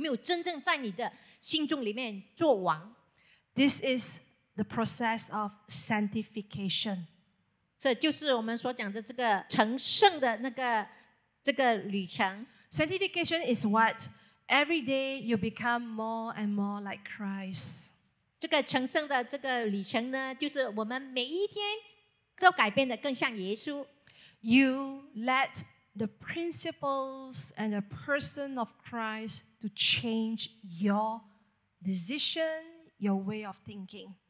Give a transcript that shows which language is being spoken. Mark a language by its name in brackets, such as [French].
[Chinese] 在那时候呢，你就能够领悟到到底这一王有没有真正在你的心中里面做王。 [English] This is the process of sanctification. [Chinese] 这就是我们所讲的这个成圣的那个这个旅程。 [English] Sanctification is what? Every day you become more and more like Christ. [Chinese] 这个成圣的这个旅程呢，就是我们每一天都改变得更像耶稣。 [English] You let the principles and the person of Christ to change your decision, your way of thinking.